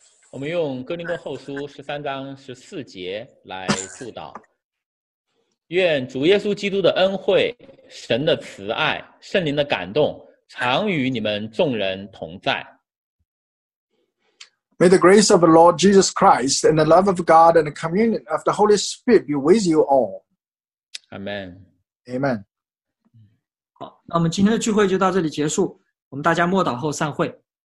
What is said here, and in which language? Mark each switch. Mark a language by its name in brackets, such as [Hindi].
[Chinese] 我们用哥林多后书十三章十四节来祝祷。愿主耶稣基督的恩惠、神的慈爱、圣灵的感动常与你们众人同在。 [English] May the grace of the Lord Jesus Christ and the love of God and the communion of the Holy Spirit be with you all. Amen. Amen. [Chinese] 好，那我们今天的聚会就到这里结束，我们大家默祷后散会。